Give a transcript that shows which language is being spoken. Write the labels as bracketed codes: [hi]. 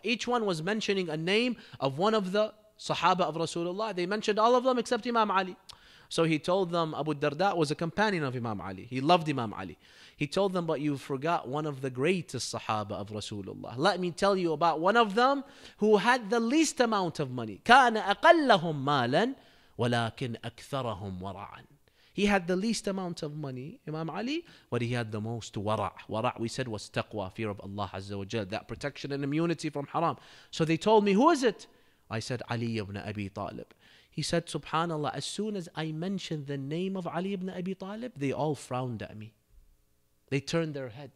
[en] Each one was mentioning a name of one of the sahaba of Rasulullah. They mentioned all of them except Imam Ali. So he told them, Abu Darda was a companion of Imam Ali. He loved Imam Ali. He told them, but you forgot one of the greatest Sahaba of Rasulullah. Let me tell you about one of them who had the least amount of money. [ar] كان أقلهم مالا ولكن أكثرهم ورعا. [en] He had the least amount of money, Imam Ali, but he had the most wara'. Wara', we said, was taqwa, fear of Allah Azza wa Jal, that protection and immunity from haram. So they told me, who is it? I said, Ali ibn Abi Talib. He said, subhanAllah, as soon as I mentioned the name of Ali ibn Abi Talib, they all frowned at me. They turned their head.